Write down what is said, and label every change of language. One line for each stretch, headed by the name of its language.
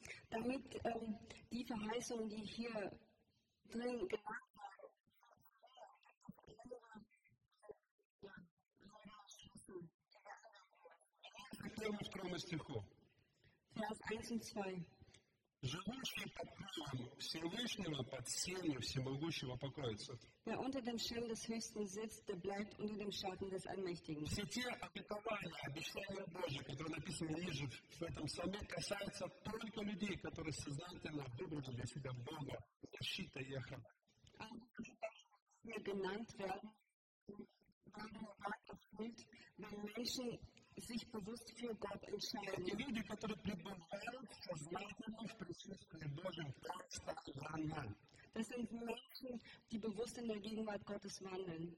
German: Damit die Verheißungen, die hier drin gemacht werden, Vers 1 und 2.
Russian: Живущий под крылом Всевышнего, под сенью Всемогущего покоится.
German: Wer unter dem Schirm des Höchsten sitzt, der bleibt unter dem Schatten des Allmächtigen.
Russian: Все те обетования, обещания Божьи, которые написаны ниже в этом псалме, касаются только людей, которые сознательно выбрали для себя Бога, защита и охрана.
German: Alle, die hier genannt werden, werden erfüllt, wenn Menschen sich bewusst für Gott entscheiden. Das sind Menschen, die bewusst in der Gegenwart Gottes wandeln.